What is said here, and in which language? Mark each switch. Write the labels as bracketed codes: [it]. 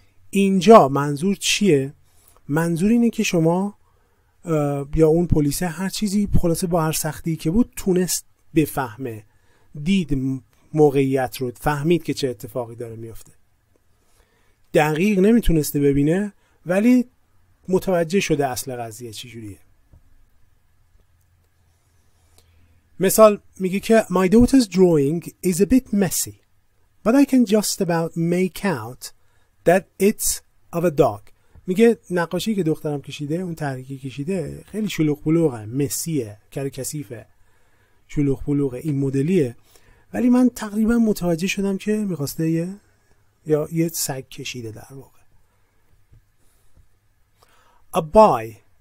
[fa] اینجا منظور چیه؟ منظور اینه که شما یا اون پلیس هر چیزی خلاصه با هر سختی که بود تونست بفهمه، دید موقعیت رو، فهمید که چه اتفاقی داره میفته. دقیق نمیتونسته ببینه ولی متوجه شده اصل قضیه چجوریه. مثال میگه که [en] My daughter's drawing is a bit messy but I can just about make out that it's of a dog. [fa] میگه نقاشی که دخترم کشیده، اون تحریکی کشیده، خیلی شلوغ بلوغه، مسیه، کرکسیفه، شلوغ بلوغه، این مدلیه، ولی من تقریبا متوجه شدم که میخواسته یه یا یه سگ کشیده در واقع.